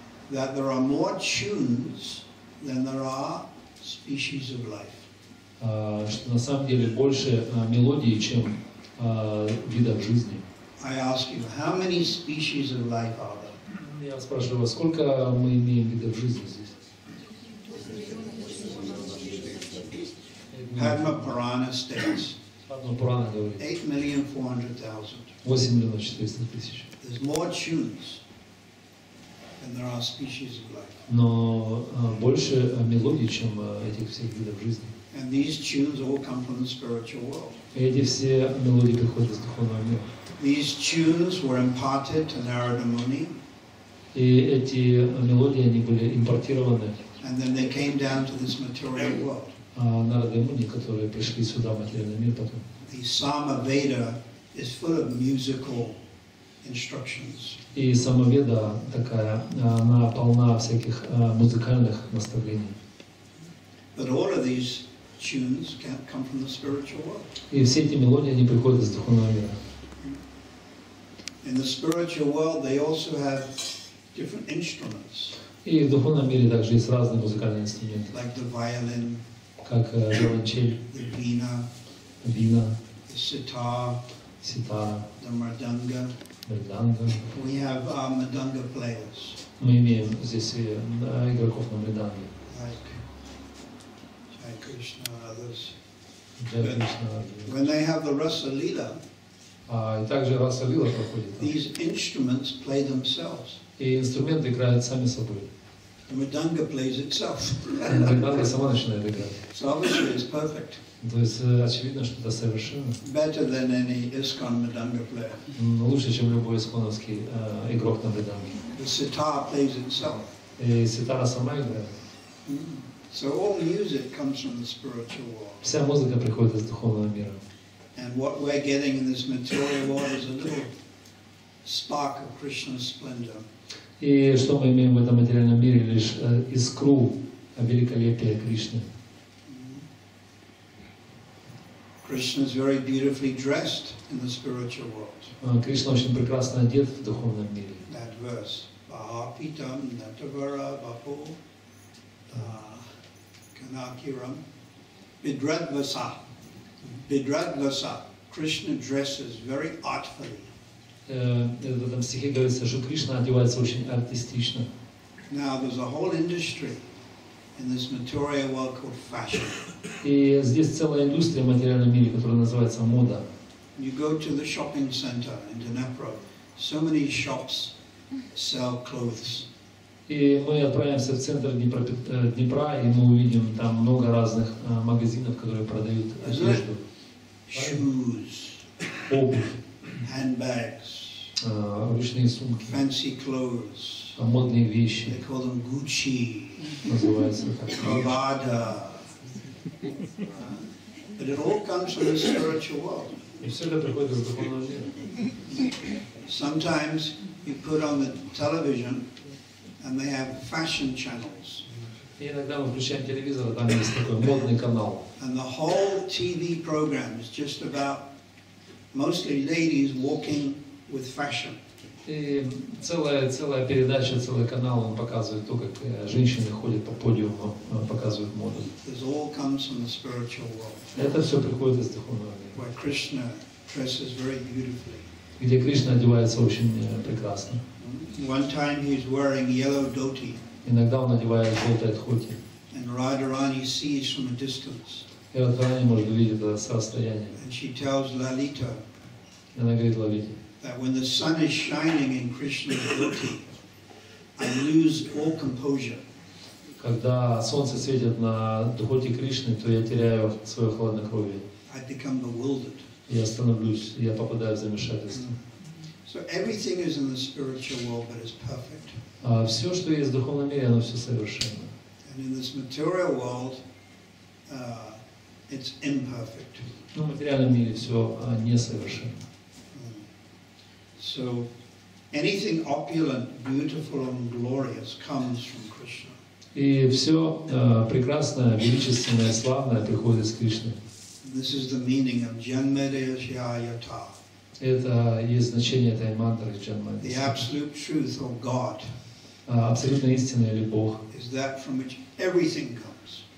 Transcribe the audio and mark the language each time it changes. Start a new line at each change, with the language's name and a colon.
English: That there are more tunes than there are species of life.
Russian: Что на самом деле больше мелодий, чем видов жизни.
English: I ask you, how many species of life are there?
Russian: Я спрашиваю вас, сколько мы имеем видов жизни здесь?
English: Padma Purana states 8,400,000. There's more tunes than there are species of life.
Russian: Но больше мелодий, чем этих всех видов жизни.
English: And these tunes all come from the spiritual world.
Russian: Эти все мелодии приходят из духовного мира.
English: These tunes were imparted to Narada Muni.
Russian: И эти мелодии они были импортированы.
English: And then they came down to this material world.
Russian: Нарада Муни, которые пришли сюда в материальный мир потом.
English: The Samaveda is full of musical instructions.
Russian: И Самаведа такая, она полна всяких музыкальных наставлений.
English: But all of these tunes can't come from the spiritual world.
Russian: И все эти мелодии они приходят из духовного мира.
English: In the spiritual world, they also have different instruments.
Russian: И в духовном мире также есть разные музыкальные инструменты.
English: Like the violin.
Russian: Как виолончель,
English: the veena,
Russian: veena,
English: the sitar,
Russian: sitar,
English: the mridanga,
Russian: mridanga.
English: We have mridanga players.
Russian: Мы имеем здесь игроков на мриданге.
English: Like Jai Krishna and others.
Russian: Jai Krishna.
English: When they have the rasa lila,
Russian: и также раса лила проходит.
English: These instruments play themselves.
Russian: И инструменты играют сами собой.
English: The mridanga plays itself.
Russian: Mridanga сама начинает играть.
English: So obviously it's perfect.
Russian: То есть очевидно, что это совершенно.
English: Better than any ISKCON mridanga player.
Russian: Лучше, чем любой исконовский игрок на мриданге.
English: The sitar plays itself.
Russian: И ситара сама играет.
English: So all music comes from the spiritual world.
Russian: Вся музыка приходит из духовного мира.
English: And what we're getting in this material world is a little spark of Krishna's splendor.
Russian: И что мы имеем в этом материальном мире? Лишь искру великолепия Кришны.
English: Krishna is very beautifully dressed in the spiritual world.
Russian: Кришна очень прекрасно одет в духовном мире.
English: That verse.
Sanskrit: Bahapitam natavara bapu kanakiram bidradvasa. Bidradvasa.
English: Krishna dresses very artfully.
Russian: В этом стихе говорится, что Кришна одевается очень артистично.
English: Now there's a whole industry in this material world called fashion.
Russian: И здесь целая индустрия в материальном мире, которая называется мода.
English: You go to the shopping center in Dnepro. So many shops sell clothes.
Russian: И мы отправимся в центр Днепра, и мы увидим там много разных магазинов, которые продают одежду.
English: Shoes.
Russian: Обувь.
English: Handbags,
Russian: ручные сумки,
English: fancy clothes,
Russian: модные вещи.
English: They call them Gucci,
Russian: называется так.
English: Prada, but it all comes from the spiritual world.
Russian: И все это приходит из духовного мира.
English: Sometimes you put on the television, and they have fashion channels.
Russian: И иногда мы включаем телевизор, там есть такой модный канал.
English: And the whole TV program is just about mostly ladies walking with fashion.
Russian: И целая передача, целый канал, он показывает то, как женщины ходят по подиуму, показывают моду.
English: This all comes from the spiritual world.
Russian: Это все приходит из духовного мира.
English: Where Krishna dresses very beautifully.
Russian: Где Кришна одевается очень прекрасно.
English: One time he is wearing yellow dhoti.
Russian: Иногда он одевает желтое дхоти.
English: And Radharani sees from a distance.
Russian: И Радхарани может увидеть это с расстояния.
English: And she tells Lalita.
Russian: И она говорит Лалите.
English: That when the sun is shining in Krishna's dhoti, I lose all composure.
Russian: Когда солнце светит на дхоти Кришны, то я теряю свое хладнокровие.
English: I become bewildered.
Russian: Я становлюсь, я попадаю в замешательство.
English: So everything is in the spiritual world, but it's perfect.
Russian: Все, что есть в духовном мире, оно все совершенно.
English: And in this material world, it's imperfect.
Russian: Ну, в материальном мире все несовершенно.
English: So anything opulent, beautiful, and glorious comes from Krishna.
Russian: И все прекрасное, величественное, славное приходит с Кришны.
English: This is the meaning of Janmadeshayata.
Russian: Это есть значение этой мантры Janmadeshayata.
English: The absolute truth of God.
Russian: Абсолютная истина или Бог.
English: Is that from which everything comes?